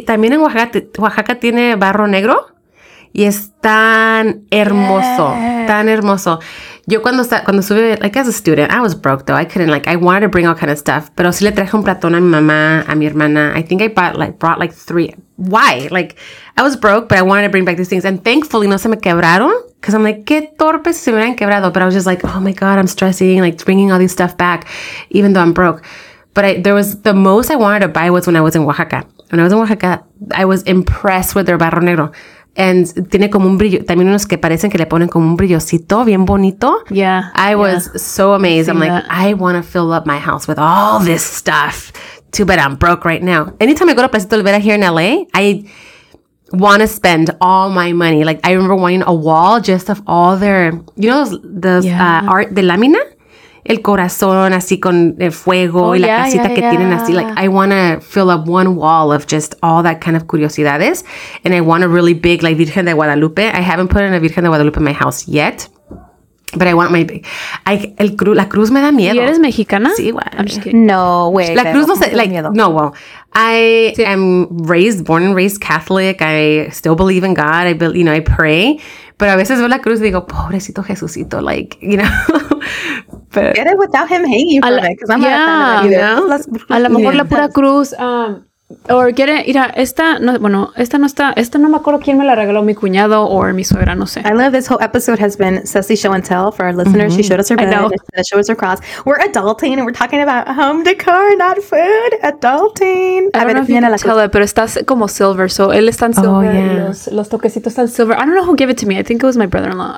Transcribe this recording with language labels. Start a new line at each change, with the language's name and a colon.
Spanish: También en Oaxaca tiene barro negro y es tan hermoso, tan hermoso. Yo cuando subí,
English: like as a student, I was broke though. I couldn't like, I wanted to bring all kind of stuff.
Spanish: Pero sí le traje un platón a mi mamá, a mi hermana.
English: I think I brought like three. Why? Like, I was broke, but I wanted to bring back these things. And thankfully,
Spanish: no se me quebraron.
English: Because I'm like,
Spanish: qué torpe si se me han quebrado.
English: But I was just like, oh my God, I'm stressing, like bringing all these stuff back, even though I'm broke. But there was the most I wanted to buy was when I was in Oaxaca. When I was in Oaxaca, I was impressed with their barro negro. And
Spanish: tiene como un brillo, también unos que parecen que le ponen como un brillocito bien bonito.
English: Yeah. I was so amazed. I'm like, I want to fill up my house with all this stuff. Too bad I'm broke right now. Anytime I go to Plaza Olvera here in LA, I want to spend all my money. Like, I remember wanting a wall just of all their, you know, the art de lámina?
Spanish: El corazón así con el fuego y la casita que tienen así.
English: Like, I want to fill up one wall of just all that kind of curiosidades. And I want a really big, like, Virgen de Guadalupe. I haven't put in a Virgen de Guadalupe in my house yet. But I want my big.
Spanish: La cruz me da miedo. ¿Y eres mexicana? Sí,
English: igual. I'm just kidding. No way.
Spanish: La cruz no se...
English: Like,
Spanish: miedo.
English: No, well, I am born and raised Catholic. I still believe in God. I pray. But
Spanish: a veces veo la cruz y digo, pobrecito Jesucito.
English: Like, you know. But, get it without him hanging from it. Because I'm not that either. Yeah.
Spanish: A lo mejor la pura cruz...
English: Or get it,
Spanish: mira, esta no, bueno, esta no está, esta no me acuerdo quién me la regaló, mi cuñado or mi suegra, no sé.
English: I love this whole episode has been Ceci show and tell for our listeners. Mm-hmm. She showed us her bed, she showed us her cross. We're adulting and we're talking about home decor, not food. Adulting. I don't know if you can tell it,
Spanish: pero está como
English: silver, so
Spanish: él está en
English: silver. Oh, yeah.
Spanish: Los toquecitos están silver.
English: I don't know who gave it to me. I think it was my brother-in-law.